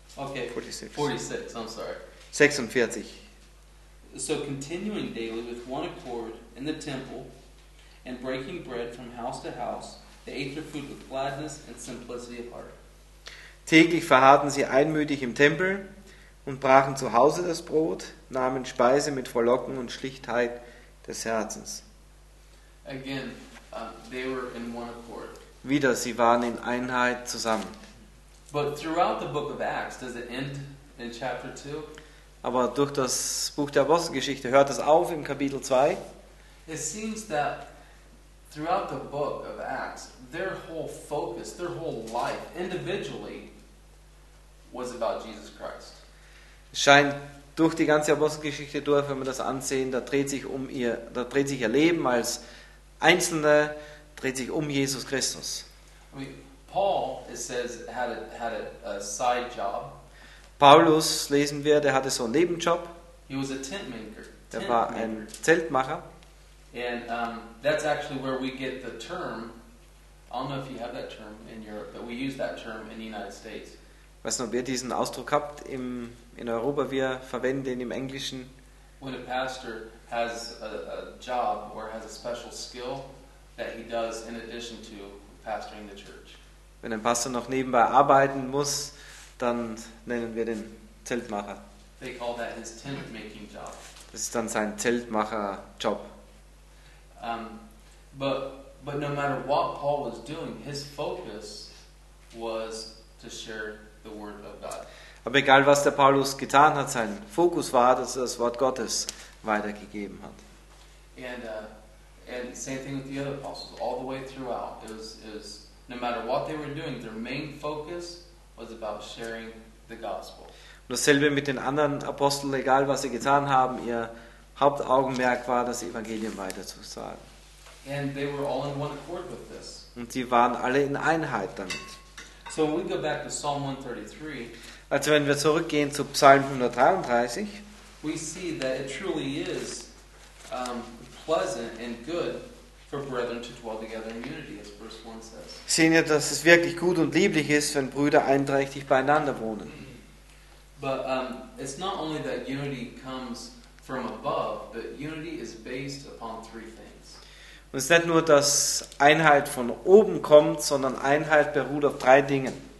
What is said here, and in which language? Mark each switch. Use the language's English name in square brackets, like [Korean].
[English] Okay, 46, I'm sorry. 46. So continuing daily with one accord in the temple and breaking bread from house to house, they ate their food with gladness and simplicity of heart. [German] Täglich verharrten sie einmütig im Tempel und brachen zu Hause das Brot, nahmen Speise mit Frohlocken und Schlichtheit des Herzens. [English] Again, they were in one accord. [German] Wieder, sie waren in Einheit zusammen. [English] But throughout the book of Acts, does it end in chapter 2? [German] Aber durch das Buch der Apostelgeschichte hört es auf im Kapitel 2. [English] It seems that throughout the book of Acts, their whole focus, their whole life, individually, was about Jesus Christ. [German] Es scheint durch die ganze Apostelgeschichte durch, wenn wir das ansehen, da dreht sich ihr Leben als Einzelne, dreht sich um Jesus Christus. [English] Paul, it says, had a side job. [German] Paulus, lesen wir, der hatte so einen Nebenjob. [English] He was a tent maker. [German] Der war ein Zeltmacher. [English] And that's actually where we get the term. I don't know if you have that term in Europe, but we use that term in the United States. [German] Ich weiß nicht, ob ihr diesen Ausdruck habt in Europa. Wir verwenden den im Englischen. [English] When a pastor has a job or has a special skill that he does in addition to pastoring the church. [German] Wenn ein Pastor noch nebenbei arbeiten muss, dann nennen wir den Zeltmacher. [English] They call that his tent-making job. [German] Das ist dann sein Zeltmacher-Job. [English] But no matter what Paul was doing, his focus was to share the word of God. [German] Aber egal, was der Paulus getan hat, sein Fokus war, dass er das Wort Gottes weitergegeben hat. [English] And same thing with the other apostles, all the way throughout. It was no matter what they were doing, their main focus was about sharing the gospel. [German] Und dasselbe mit den anderen Aposteln, egal was sie getan haben, ihr Hauptaugenmerk war, das Evangelium weiterzusagen. [English] And they were all in one accord with this. [German] Und sie waren alle in Einheit damit. [English] So when we go back to Psalm 133, [German] also wenn wir zurückgehen zu Psalm 133, [English] we see that it truly is pleasant and good for brethren to dwell together in unity, as verse 1 says. [German] Sehen wir, dass es wirklich gut und lieblich ist, wenn Brüder einträchtig beieinander wohnen. [English] But it's not only that unity comes from above, but unity is based upon three things. [German] Und es ist nicht nur, dass Einheit von oben kommt, sondern Einheit beruht auf drei Dingen.